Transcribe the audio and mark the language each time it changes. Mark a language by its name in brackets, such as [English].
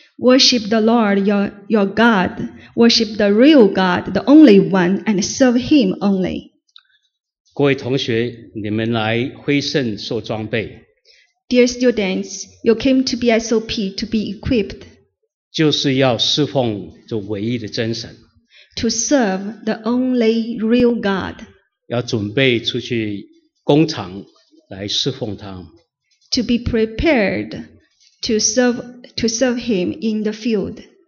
[English] Worship the Lord your God, worship the real God, the only one, and serve him only. [Chinese] 各位同学，你们来辉盛受装备。 [English] Dear students, you came to BSOP to be equipped. [Chinese] 就是要侍奉这唯一的真神。 [English] To serve the only real God. [Chinese] 要准备出去工厂来侍奉他。 [English] To be prepared to serve him in the field.